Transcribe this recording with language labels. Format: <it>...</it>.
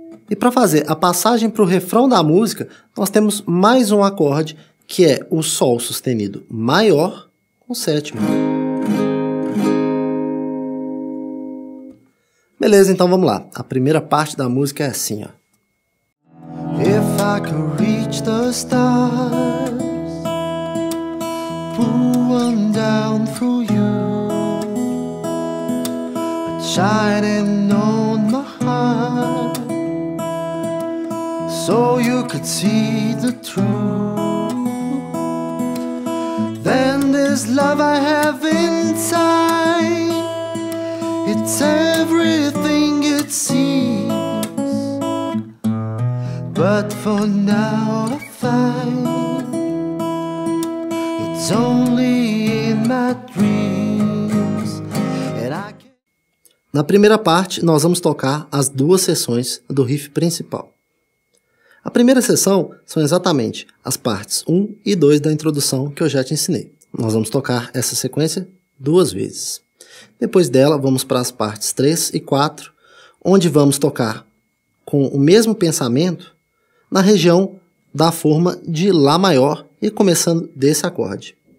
<pt>E para fazer a passagem para o refrão da música, nós temos mais um acorde, que é o Sol sustenido maior com sétima. Beleza, então vamos lá. A primeira parte da música é assim, ó.</pt> <en>If I could reach the stars, pull one down through you, shining on my heart, so you could see the truth, then this love I have inside, it's everything it seems. But for now I find it's only in my dreams. And I can...</en> <pt>Na primeira parte, nós vamos tocar as duas sessões do riff principal. A primeira sessão são exatamente as partes 1 e 2 da introdução que eu já te ensinei. Nós vamos tocar essa sequência duas vezes. Depois dela, vamos para as partes 3 e 4, onde vamos tocar com o mesmo pensamento na região da forma de Lá maior e começando desse acorde.</pt>